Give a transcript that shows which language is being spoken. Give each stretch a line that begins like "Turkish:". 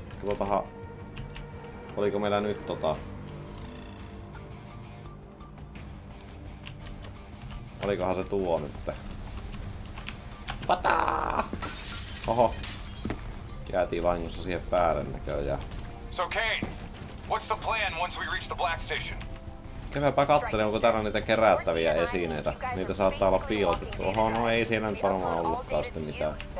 Finnish: Katsotaanhan, oliko meillä nyt Olikohan se tuo nytte? Pataa! Oho. Jäätiin vahingossa siihen päälle näköjään.
English: So Kane, what's the plan once we reach the Black Station?
Finnish: Käypä katselen, onko täällä niitä kerättäviä esineitä. Niitä saattaa olla piilotettu. Oho, no ei siellä nyt varmaan ollutkaan sitten mitään.